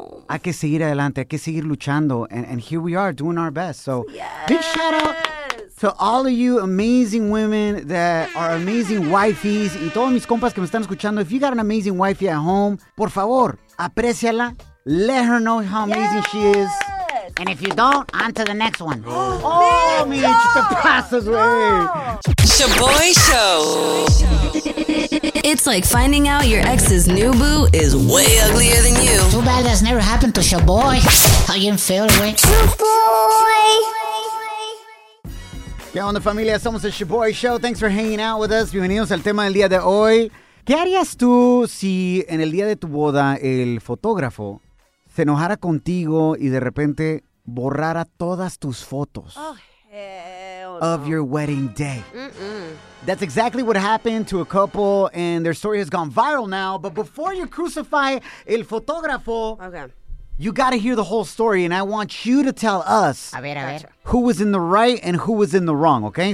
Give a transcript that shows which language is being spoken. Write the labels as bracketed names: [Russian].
[Spanish] Hay que seguir adelante, hay que seguir luchando. [English] And here we are doing our best. So big shout out to all of you amazing women that are amazing wifeys. [Spanish] Y todos mis compas que me están escuchando, [English] if you got an amazing wifey at home, [Spanish] por favor, apreciala. [English] Let her know how amazing she is. And if you don't, on to the next one. Oh, me, it's the passes way. Shaboy Show. It's like finding out your ex's new boo is way uglier than you. Too bad that's never happened to Shaboy. How you feel, way? Shaboy. [Spanish] Yo, onda familia, somos el Shaboy Show. [English] Thanks for hanging out with us. [Spanish] Bienvenidos al tema del día de hoy. ¿Qué harías tú si en el día de tu boda el fotógrafo se enojara contigo y de repente borrara todas tus fotos? [English] Oh, of your wedding day. Mm-mm. That's exactly what happened to a couple, and their story has gone viral now. But before you crucify el fotógrafo, you got to hear the whole story, and I want you to tell us who was in the right and who was in the wrong, okay?